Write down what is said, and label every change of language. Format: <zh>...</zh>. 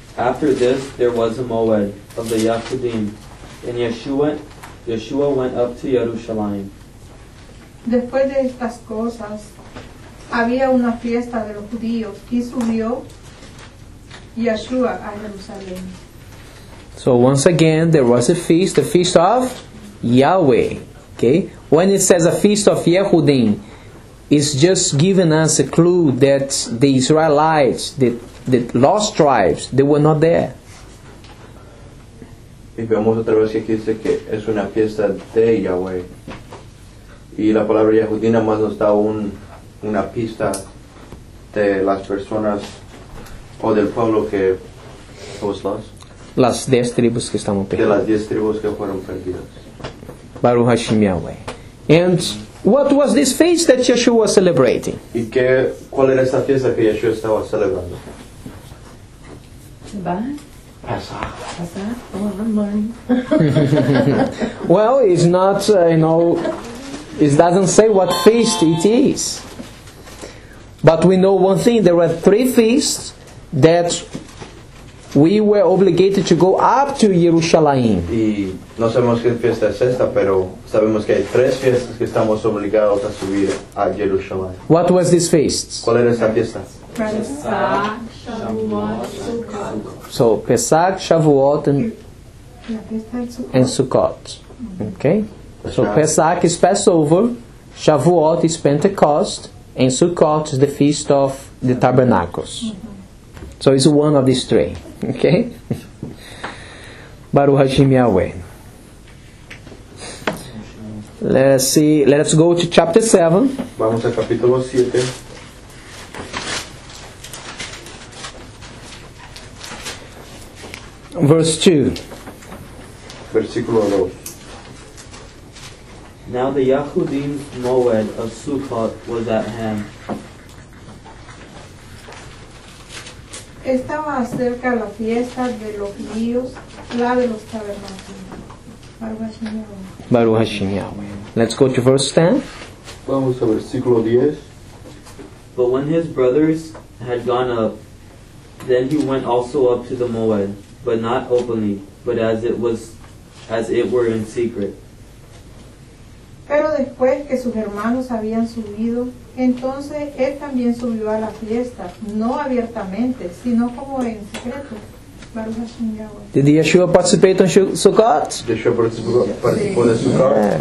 <en>After this, there was a moed of the Yahudim, and Yeshua went up to Jerusalem.</en> <es>Después de estas cosas, había una fiesta de los judíos y subió Yeshua a Jerusalén.</es> <en>So once again, there was a feast, the feast of Yahweh. Okay? When it says a feast of Yehudim, it's just giving us a clue that the Israelites, the lost tribes, they were not there.</en> <es>Y vemos otra vez que aquí dice que es una fiesta de Yahweh. Y la palabra Yehudim nada más nos da una pista de las personas o del pueblo que fue</es> <en>lost.</en> <es>Las 10 tribus que estaban perdidas. De las 10 tribus que fueron perdidas.</es> <he>Baruch Hashem Yahweh.</he> <en>And what was this feast that Yeshua was celebrating?</en> <es>¿Y qué, cuál era esa fiesta que Yeshua estaba celebrando?</es> <he>Pesach.</he> <en>Well, it's not, you know, it doesn't say what feast it is. But we know one thing, there were three feasts that we were obligated to go up to Jerusalem.</en> <es>Y no sabemos qué fiesta es esta, pero sabemos que hay tres fiestas que estamos obligados a subir a Jerusalem.</es> <en>What was this feast?</en> <es>¿Cuál era esta fiesta?</es> <he>Pesach, Shavuot, Sukkot. So, Pesach, Shavuot,</he> <en>and Sukkot. Okay? So, Pesach is Passover, Shavuot is Pentecost, and Sukkot is the Feast of the Tabernacles. Mm-hmm. So it's one of these three. Okay?</en> <he>Baruch Hashem Yahweh.</he> <en>Let's see. Let's go to chapter 7.</en> <es>Vamos al capítulo 7.</es> <en>Verse 2.</en> <es>Versículo 2.</es> <en>Now the Yahudim's Moed of Sukkot was at hand.</en> <es>Estaba cerca la fiesta de los judíos, la de los tabernáculos.</es> <he>Baruch Hashem Yahweh.</he> <en>Let's go to verse 10.</en> <es>Vamos a versículo 10.</es> <en>But when his brothers had gone up, then he went also up to the Moed, but not openly, but as it were in secret.</en> <es>Pero después que sus hermanos habían subido, entonces él también subió a la fiesta, no abiertamente, sino como en secreto.</es> <en>Did Yeshua participate in Sukkot?</en> <es>Yeshua participó en Sukkot.</es>